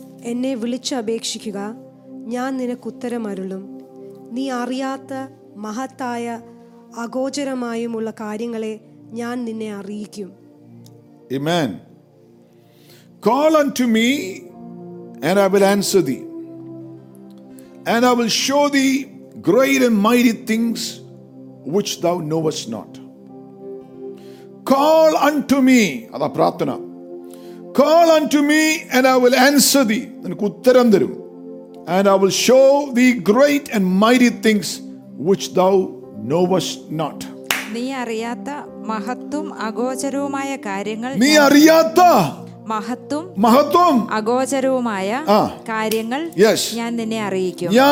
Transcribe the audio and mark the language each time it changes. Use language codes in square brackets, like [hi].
[ml] എന്നെ വിളിച്ച് അപേക്ഷിക്കുക, ഞാൻ നിനക്ക് ഉത്തരം അരുളും. നീ അറിയാത്ത മഹത്തായ അഗോചരമായുമുള്ള കാര്യങ്ങളെ ഞാൻ നിന്നെ അറിയിക്കും. ആമേൻ. [en] Call unto me and I will answer thee, and I will show thee great and mighty things which thou knowest not. Call unto me, [ml] ada prarthana. [en] Call unto me and I will answer thee, [ml] നിനക്ക് ഉത്തരം തരും. [en] And I will show thee great and mighty things which thou knowest not. [ml] നീ അറിയാത്ത മഹത്തും അഗോചരവുമായ കാര്യങ്ങൾ. നീ അറിയാത്ത മഹത്തും അഗോചരവുമായ കാര്യങ്ങൾ ഞാൻ നിന്നെ അറിയിക്കും.